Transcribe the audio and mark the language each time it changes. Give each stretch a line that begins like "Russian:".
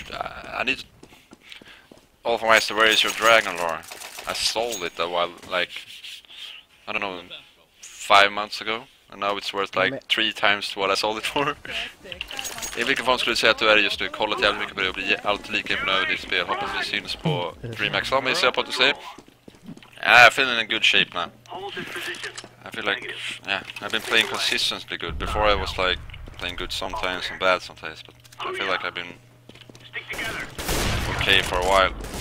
English: I need Olofmeister, where is your dragon lore? I sold it a while, like, I don't know, 5 months ago. And now it's worth like 3 times to what I sold it for.
Swedish: I vilken form skulle du säga att du är just nu? Kollat jävligt mycket på det och blir alltid lika imponerad i ditt spel. Hoppas vi syns på DreamHack Summit, ser jag på att du säger.
English: Yeah, I feel in a good shape now. I feel like, yeah, I've been playing consistently good. Before I was like playing good sometimes and bad sometimes. But I feel like I've been okay for a while.